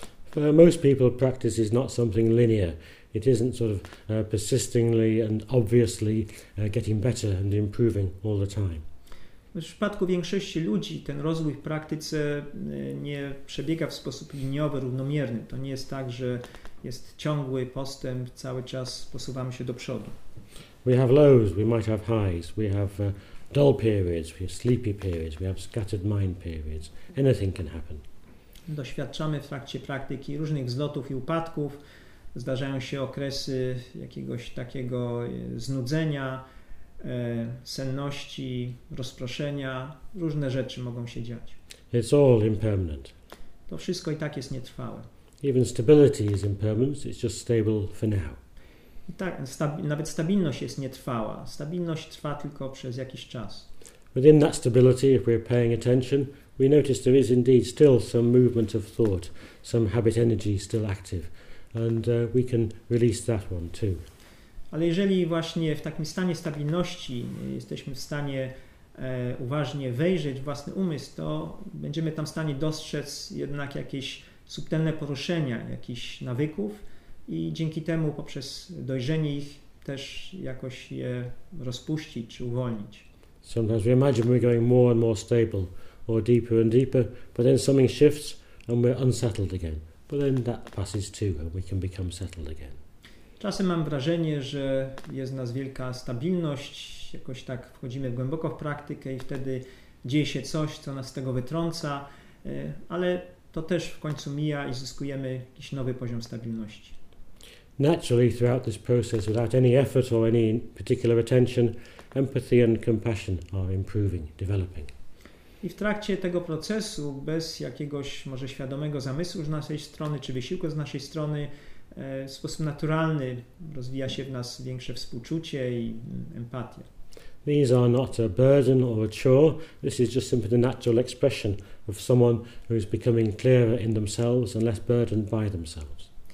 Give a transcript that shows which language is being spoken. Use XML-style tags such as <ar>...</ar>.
<en>For most people, practice is not something linear. It isn't sort of persistently and obviously getting better and improving all the time.</en> <pl>W przypadku większości ludzi ten rozwój w praktyce nie przebiega w sposób liniowy, równomierny. To nie jest tak, że jest ciągły postęp, cały czas posuwamy się do przodu.</pl> <en>We have lows, we might have highs, we have dull periods, we have sleepy periods, we have scattered mind periods. Anything can happen.</en> <pl>Doświadczamy w trakcie praktyki różnych zlotów i upadków. Zdarzają się okresy jakiegoś takiego znudzenia, senności, rozproszenia. Różne rzeczy mogą się dziać.</pl> <en>It's all impermanent.</en> <pl>To wszystko i tak jest nietrwałe.</pl> <en>Even stability is impermanent, it's just stable for now.</en> <pl>I tak, nawet stabilność jest nietrwała. Stabilność trwa tylko przez jakiś czas.</pl> <en>Within that stability, if we're paying attention, we notice there is indeed still some movement of thought, some habit energy still active, and we can release that one too.</en> <pl>Ale jeżeli właśnie w takim stanie stabilności jesteśmy w stanie uważnie wejrzeć w własny umysł, to będziemy tam w stanie dostrzec jednak jakieś subtelne poruszenia, jakichś nawyków i dzięki temu poprzez dojrzenie ich też jakoś je rozpuścić czy uwolnić.</pl> <en>Sometimes we imagine we're going more and more stable, or deeper and deeper, but then something shifts and we're unsettled again. But then that passes too and we can become settled again.</en> <pl>Czasem mam wrażenie, że jest w nas wielka stabilność, jakoś tak wchodzimy głęboko w praktykę i wtedy dzieje się coś, co nas z tego wytrąca, ale to też w końcu mija i zyskujemy jakiś nowy poziom stabilności.</pl> <en>Naturally, throughout this process, without any effort or any particular attention, empathy and compassion are improving, developing.</en> <pl>I w trakcie tego procesu, bez jakiegoś może świadomego zamysłu z naszej strony, czy wysiłku z naszej strony, w sposób naturalny rozwija się w nas większe współczucie i empatia.</pl> <en>These are not a burden or a chore. This is just simply the natural expression of someone who is becoming clearer in themselves and less burdened by themselves.</en>